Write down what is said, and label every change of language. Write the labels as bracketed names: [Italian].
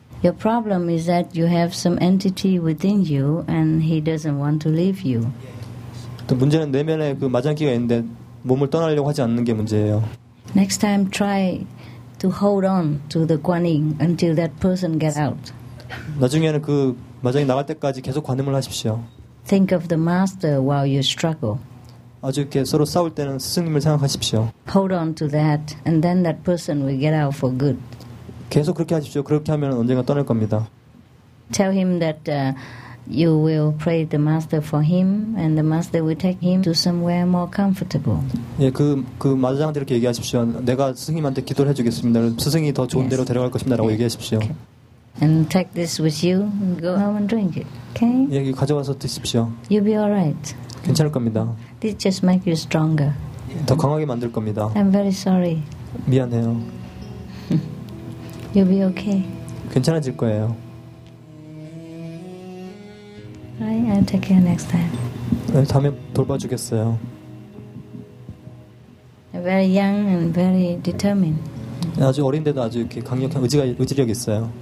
[English] Your problem is that you have some entity within you, and he doesn't want to leave you. [Korean] 또 문제는 내면에 그 마장기가 있는데 몸을 떠나려고 하지 않는 게 문제예요. [English] Next time try to hold on to the Guanyin until that person get out. [Korean] 나중에는 그 마장이 나갈 때까지 계속 관음을 하십시오. [English] Think of the master while you struggle. [Korean] 아주 이렇게 서로 싸울 때는 스승님을 생각하십시오. [English] Hold on to that and then that person will get out for good. [Korean] 계속 그렇게 하십시오. 그렇게 하면 언젠가 떠날 겁니다. [English] Tell him that you will pray the master for him and the master will take him to somewhere more comfortable. [Korean] 예, 그 마장한테 이렇게 얘기하십시오. 내가 스승님한테 기도를 해주겠습니다. 스승이 더 좋은 데로 데려갈 것입니다. 라고 얘기하십시오. [English] Okay. And take this with you and go home and drink it. Okay? [Korean] 예, 이거 가져와서 드십시오. [English] You'll be alright. [Korean] 괜찮을 겁니다. [English] This just make you stronger. [Korean] 더 강하게 만들 겁니다. [English] I'm very sorry. [Korean] 미안해요. [English] You'll be okay. [Korean] 괜찮아질 거예요. [English] I'll take care next time. [Korean] 네, 다음에 돌봐주겠어요. [English] Very young and very determined. [Korean] 아주 어린데도 아주 이렇게 강력한 의지력이 있어요.